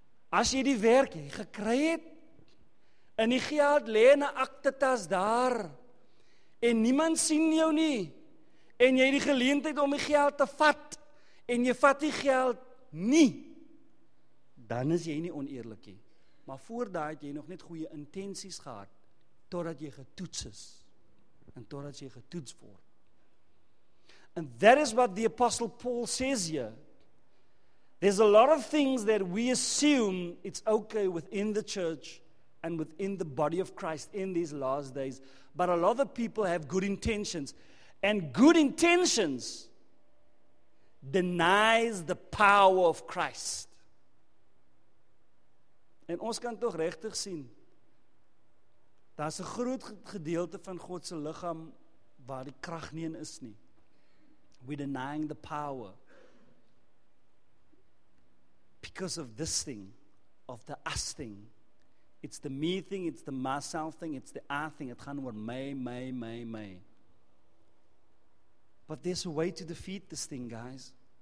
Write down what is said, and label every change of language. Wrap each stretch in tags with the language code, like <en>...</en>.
<af>As jy die werk jy gekry het, in die geld lê in 'n aktetas daar, en niemand sien jou nie, en jy het die geleentheid om die geld te vat, en jy vat die geld nie, dan is jy nie oneerlik nie. Maar voordat het jy nog net goeie intensies gehad, totdat jy getoets is, en totdat jy getoets word.</af> <en>And that is what the Apostle Paul says here. There's a lot of things that we assume it's okay within the church and within the body of Christ in these last days. But a lot of people have good intentions. And good intentions denies the power of Christ.</en> <af>En ons kan toch regtig sien, daar's 'n groot gedeelte van God se liggaam waar die krag nie in is nie.</af> <en>We're denying the power because of this thing, of the us thing. It's the me thing, it's the myself thing, it's the I thing.</en> <af>It gaan oor my.</af> <en>But there's a way to defeat this thing, guys.</en>